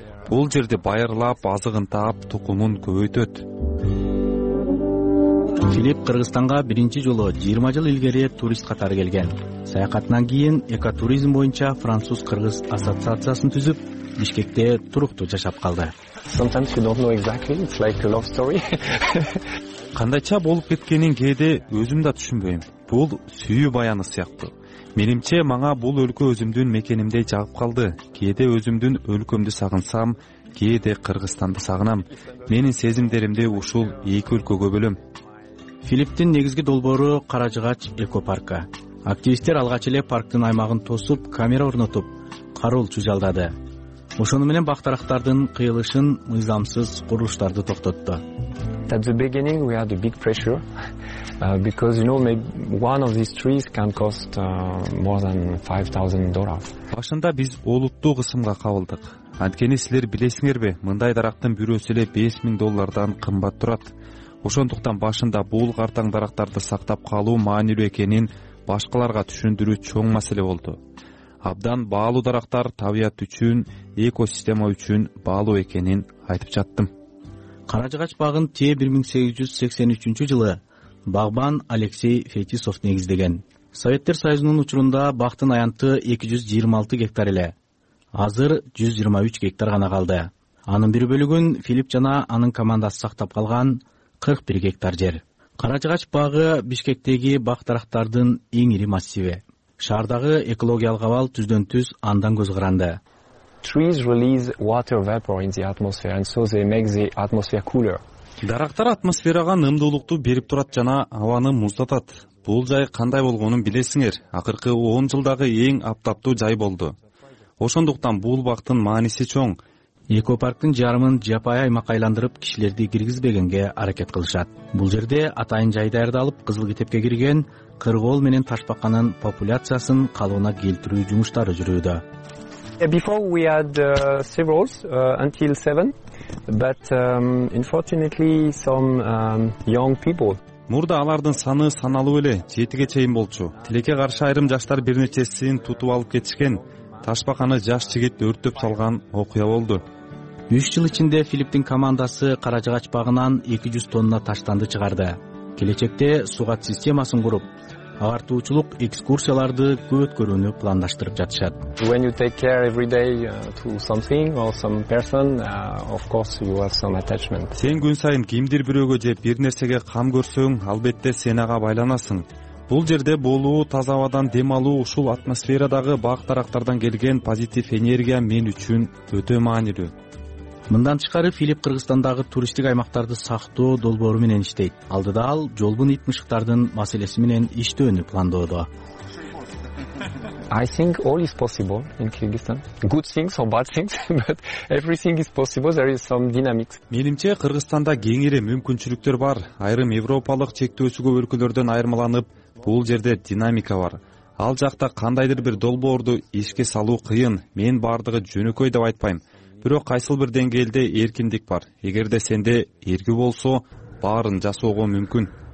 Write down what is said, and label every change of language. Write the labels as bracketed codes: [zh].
[ky] Бул жерде байырлап, азыгын таап, тукумун көбөйтөт. Филипп Кыргызстанга биринчи жолу 20 жыл илгери турист катары келген. Саякатынан кийин экотуризм боюнча француз-кыргыз ассоциациясын түзүп, Бишкекте туруктуу жашап калды. [en] Sometimes you don't know exactly, it's like a love story. [ky] Кандайча болуп кеткенин кээде өзүм да түшүнбөйм. Бул сүйүү баяны сыяктуу. Менимче мага бул өлкө өзүмдүн мекенимдей жагып калды. Кээде өзүмдүн өлкөмдү сагынсам, кээде Кыргызстанды сагынам. Менин сезимдеримди ушул эки өлкөгө бөлөм. Филипптин негизги долбоору кара жыгач экопаркы. Активисттер алгач эле парктын аймагын тосуп, камера орнотуп, карыл чужалдады. Ошону менен бак дарактардын кыйылышын мыйзамсыз курулуштарды токтотту. [en] At the beginning we had a big pressure because you know maybe one of these trees can cost more than $5,000. [ky] Башында биз олуттуу кысымга кабылдык. Анткени силер билесиңерби, мындай дарактын бирөөсү эле $5,000 кымбат турат. Ошондуктан башында бул картаң дарактарды сактап калуу маанилүү экенин башкаларга түшүндүрүү чоң маселе болду. Абдан баалуу дарактар табият үчүн, экосистема үчүн баалуу экенин айтып жаттым. Кара жыгач багын 1883 жылы багбан Алексей Фетисов негиздеген. Советтер Союзунун учурунда бактын аянты 226 гектар эле. Азыр 123 гектар гана калды. Анын бир бөлүгүн Филипп жана анын командасы сактап калган. 41 гектар жер. Кара жыгач багы Бишкектеги бак дарактардын эң ири массиви. Шаардагы экологиялык абал түздөн-түз андан көз каранды. [en] Trees release water vapor in the atmosphere and so they make the atmosphere cooler. [ky] Дарактар атмосферага нымдуулукту берип турат жана абаны муздатат. Бул жай кандай болгонун билесиңер. Акыркы 10 жылдагы эң аптаптуу жай болду. Ошондуктан бул бактын мааниси чоң. Экопарктын жарымын жапайы аймакка айландырып, кишилерди киргизбегенге аракет кылышат. Бул жерде атайын жай даярдалып, кызыл китепке кирген кыргол менен ташбаканын популяциясын калыбына келтирүү жумуштары жүрүүдө. [en] Before we had several until 7, but unfortunately some young people. [ky] Мурда алардын саны саналуу эле 7ге чейин болчу. Тилекке каршы айрым жаштар бир нечесин тутуп алып кетишкен. Ташбаканы жаш жигит өрттөп салган окуя болду. 3 жыл ичинде Филипптин командасы кара жыгач багынан 200 тонна таштанды чыгарды. Келечекте сугат системасын куруп, агартуучулук экскурсияларды өткөрүүнү пландаштырып жатышат. [en] When you take care every day to something or some person, of course you have some attachment. [ky] Сен күн сайын кимдир бирөөгө же бир нерсеге кам көрсөң, албетте сен ага байланасың. Бул жерде болуу, таза абадан дем алуу, ушул атмосферадагы бак дарактардан келген позитив энергия мен үчүн өтө маанилүү. Мындан тышкары Филипп Кыргызстандагы туристтик аймактарды сактоо долбоору менен иштейт. Алдыда ал жолбун ит мышыктардын маселеси менен иштөөнү пландоодо. [en] I think all is possible in Kyrgyzstan. Good things or bad things, but everything is possible. There is some dynamics. [ky] Менимче Кыргызстанда кеңири мүмкүнчүлүктөр бар. Айрым Европалык чектөөсү көп өлкөлөрдөн айырмаланып, бул жерде динамика бар. Ал жакта кандайдыр бир долбоорду ишке салуу кыйын. Мен бардыгы жөнөкөй деп айтпайм. Бирок кайсыл бир деңгээлде эркиндик бар. Эгерде сенде эрки болсо, баарын жасоого мүмкүн.